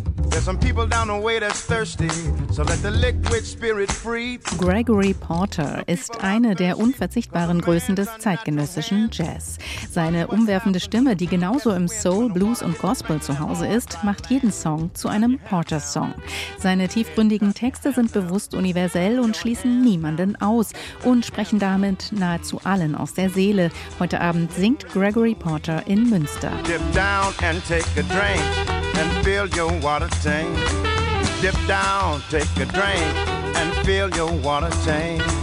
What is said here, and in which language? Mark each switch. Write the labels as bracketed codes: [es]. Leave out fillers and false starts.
[en] There's some people down the way that's thirsty, so let the liquid spirit free. [de] Gregory Porter ist eine der unverzichtbaren Größen des zeitgenössischen Jazz. Seine umwerfende Stimme, die genauso im Soul, Blues und Gospel zu Hause ist, macht jeden Song zu einem Porter-Song. Seine tiefgründigen Texte sind bewusst universell und schließen niemanden aus und sprechen damit nahezu allen aus der Seele. Heute Abend singt Gregory Porter in Münster. [en] Dip down and take a drink and fill your water tank. Dip down, take a drink and fill your water tank.